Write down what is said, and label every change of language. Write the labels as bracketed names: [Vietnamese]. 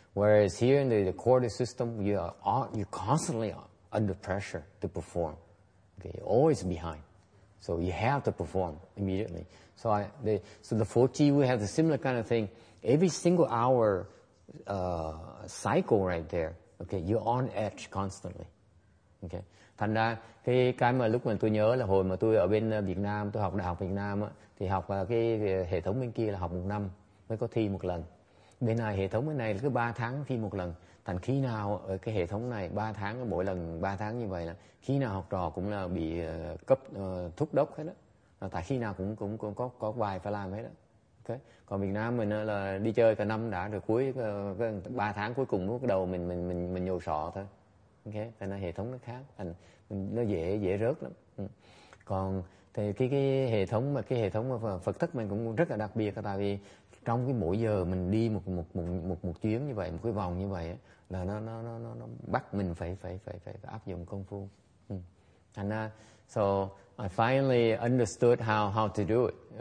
[English] Whereas here in the quarter system, you're constantly under pressure to perform. Okay. You're always behind, so you have to perform immediately. So the Fo Chi, we have a similar kind of thing. Every single hour cycle right there. Okay, you're on edge constantly. Okay. [Vietnamese] Thành ra cái mà lúc mà tôi nhớ là hồi mà tôi ở bên Việt Nam, tôi học đại học Việt Nam á, thì học cái hệ thống bên kia là học một năm mới có thi một lần. Bên này hệ thống bên này là cứ 3 tháng thi một lần. Thành khi nào ở cái hệ thống này 3 tháng mỗi lần 3 tháng như vậy là khi nào học trò cũng là bị cấp thúc đốc hết đó. Tại khi nào cũng có bài phải làm hết đó. Okay. Còn Việt Nam mình là đi chơi cả năm đã rồi cuối 3 tháng cuối cùng bắt đầu mình nhồi sọ thôi. Okay. Thế nên hệ thống nó khác, nó dễ rớt lắm. Còn thì cái hệ thống Phật thất mình cũng rất là đặc biệt, tại vì trong cái mỗi giờ mình đi một chuyến như vậy, một cái vòng như vậy ấy, là nó bắt mình phải áp dụng công phu. [English] And so I finally understood how to do it.